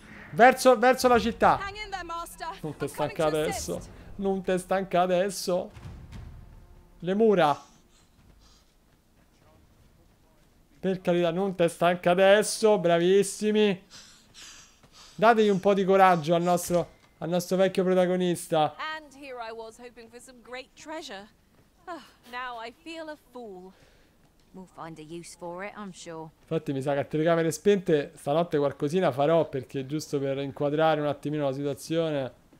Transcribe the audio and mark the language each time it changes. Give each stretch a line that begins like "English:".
Italian: Verso la città. Non te stanca adesso. Non te stanca adesso. Le mura. Per carità, non te stanca adesso. Bravissimi. Dategli un po' di coraggio al nostro vecchio protagonista.
English: And here I was hoping for some great treasure. Oh, now I feel a fool. We'll find a use for it, I'm sure.
Italian: Infatti mi sa che a telecamere spente stanotte qualcosina farò, perché giusto per inquadrare un attimino la situazione.